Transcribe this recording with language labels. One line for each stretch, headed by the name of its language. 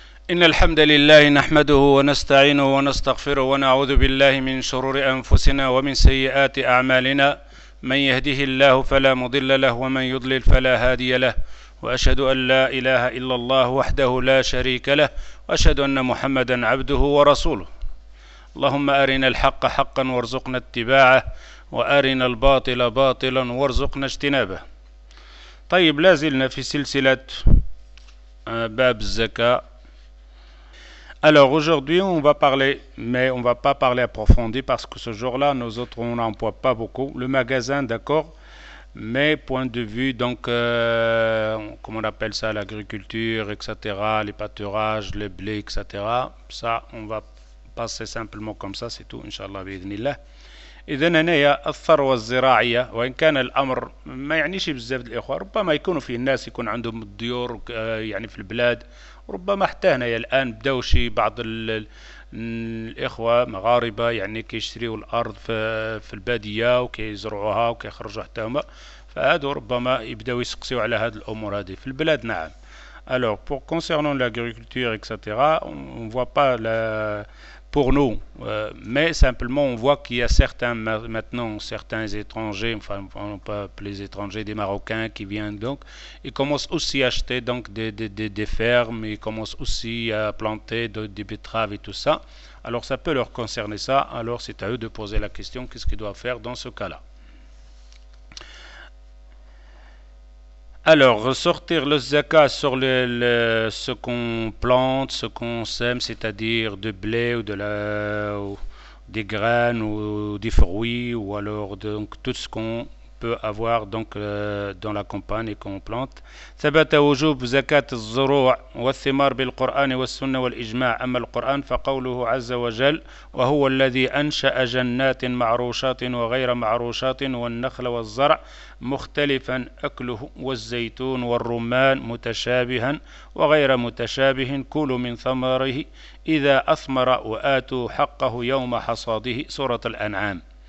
Arabic: إن الحمد لله نحمده ونستعينه ونستغفره ونعوذ بالله من شرور أنفسنا ومن سيئات أعمالنا، من يهده الله فلا مضل له ومن يضلل فلا هادي له، وأشهد أن لا إله إلا الله وحده لا شريك له، وأشهد أن محمدا عبده ورسوله. اللهم أرنا الحق حقا وارزقنا اتباعه، وأرنا الباطل باطلا وارزقنا اجتنابه. طيب، لازلنا في سلسلة باب الزكاة.
French: Alors aujourd'hui, on va parler, mais on ne va pas parler approfondi parce que ce jour-là, nous autres, on n'emploie pas beaucoup. Le magasin, d'accord, mais point de vue, donc, comment on appelle ça, l'agriculture, etc., les pâturages, le blé, etc., ça, on va passer simplement comme ça, c'est tout, Inch'Allah, bi'idhnillah.
Arabic: إذن هنا الثروة الزراعية، وإن كان الأمر ما يعنيش بزاف الإخوة، ربما يكونوا في الناس يكون عندهم الديور يعني في البلاد، ربما حتى هنا الآن بدأوا شي بعض الإخوة مغاربة يعني كيشتريوا الأرض في البادية وكيزرعوها وكيخرجوا حتى هما، فهادو ربما يبدأوا يسقسيوا على هذه الأمور هذه في البلاد. نعم.
French: Alors pour concernant l'agriculture etc on voit pas la pour nous, mais simplement on voit qu'il y a certains, maintenant certains étrangers, enfin on appelle les étrangers, des Marocains qui viennent, donc ils commencent aussi à acheter donc des fermes, ils commencent aussi à planter des betteraves et tout ça. Alors ça peut leur concerner ça, alors c'est à eux de poser la question, qu'est-ce qu'ils doivent faire dans ce cas-là. Alors, ressortir le zakat sur ce qu'on plante, ce qu'on sème, c'est-à-dire de blé ou des graines ou des fruits, ou alors donc tout ce qu'on peut avoir donc dans la campagne et qu'on plante.
Arabic: ثبت وجوب زكاة الزروع والثمار بالقرآن والسنة والإجماع. أما القرآن فقوله عز وجل وهو الذي أنشأ جنات معروشات وغير معروشات والنخل والزرع مختلفا أكله والزيتون والرمان متشابها وغير متشابه كلوا من ثمره إذا أثمر وآتوا حقه يوم حصاده سورة الأنعام.